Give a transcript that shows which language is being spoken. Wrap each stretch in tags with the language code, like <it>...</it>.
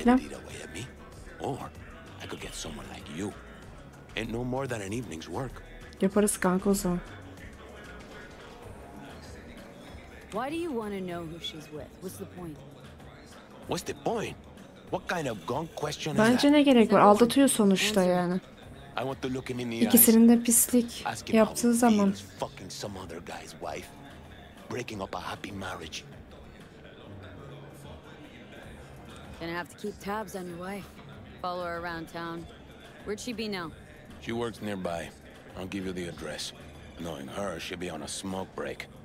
<en>Could let it away at me, or I could get someone like you. Ain't no more than an evening's work.</en> <tr>Yaparız kanka o zaman.</tr> <en>Why do you want to know who she's with? What's the point? What's the point? What kind of gunk question is that?</en> <tr>Bence ne gerek var? Aldatıyor sonuçta yani.</tr> <en>I want to look him in the</en> <tr>İkisinin de pislik yaptığı zaman.</tr> <en>Fucking some other guy's wife, breaking up a happy marriage. Gonna have to keep tabs on your wife. Follow her around town. Where'd she be now? She works nearby. I'll give you the address. Knowing her, she'll be on a smoke break.</en>